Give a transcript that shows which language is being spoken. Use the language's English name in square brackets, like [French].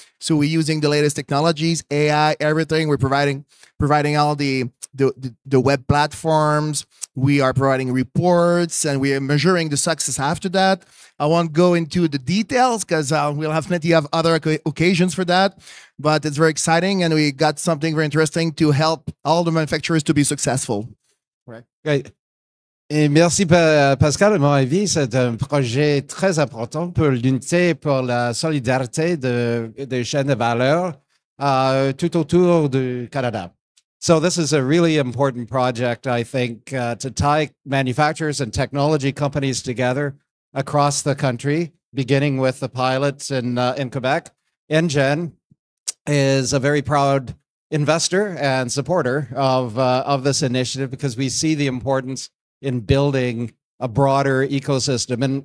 [English] So we're using the latest technologies, AI, everything. We're providing all the web platforms. We are providing reports and we are measuring the success after that. I won't go into the details because we'll have plenty of other occasions for that, but it's very exciting and we got something very interesting to help all the manufacturers to be successful. Right. Great. [French] Et merci Pascal, à mon avis, c'est un projet très important pour l'unité, pour la solidarité des chaînes de valeur tout autour du Canada. [English] So this is a really important project, I think, to tie manufacturers and technology companies together across the country, beginning with the pilots in Quebec. NGEN is a very proud investor and supporter of this initiative because we see the importance in building a broader ecosystem.